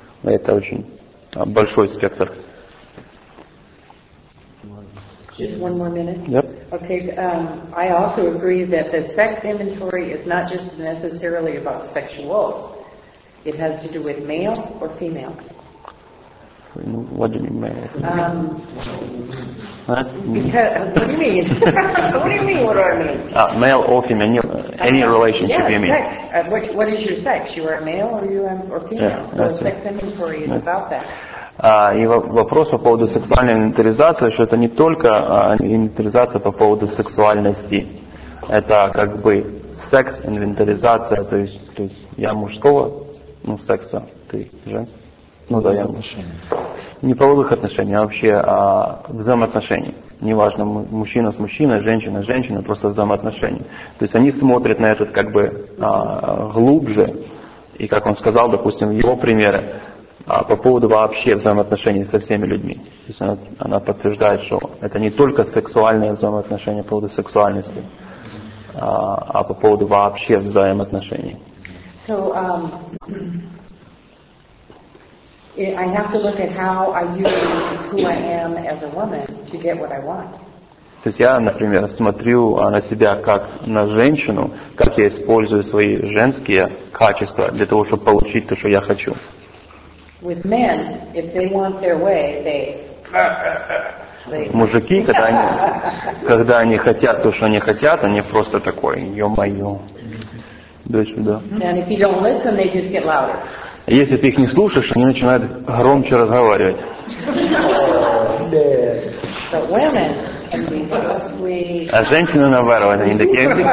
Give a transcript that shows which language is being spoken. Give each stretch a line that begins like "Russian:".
Russian: Это очень большой спектр.
English: Just one more minute. Yep. Okay. I also agree that the sex inventory is not just necessarily about sexuals. It has to do with male or female. What do you mean by that? What do you mean? What do I mean? Male or female? Any relationship, yeah, you mean? Sex. What is your sex? You are male or you are or female? Yeah, so sex inventory is about that.
Russian: И вопрос по поводу сексуальной инвентаризации, что это не только инвентаризация по поводу сексуальности, это как бы секс-инвентаризация, то есть я мужского, ну, секса, ты женский, ну да, я мужчина. Не половых отношений, а вообще взаимоотношений. Неважно, мужчина с мужчиной, женщина с женщиной, просто взаимоотношения. То есть они смотрят на этот как бы глубже, и как он сказал, допустим, в его примере, а по поводу вообще взаимоотношений со всеми людьми. То есть она подтверждает, что это не только сексуальные взаимоотношения по поводу сексуальности, а по поводу вообще взаимоотношений.
English: So, I have to look at how I use who I am as a woman to get what I want.
Russian: То есть я, например, смотрю на себя как на женщину, как я использую свои женские качества для того, чтобы получить то, что я хочу.
English: With men, if they want their way, they...
Russian: Мужики, когда они хотят то, что они хотят, они просто такой, ё-моё, дай сюда.
English: And if you don't listen, they just get louder.
Russian: Если ты их не слушаешь, они начинают громче разговаривать.
English: But women can be sweet.
Russian: А женщины наоборот, они такие...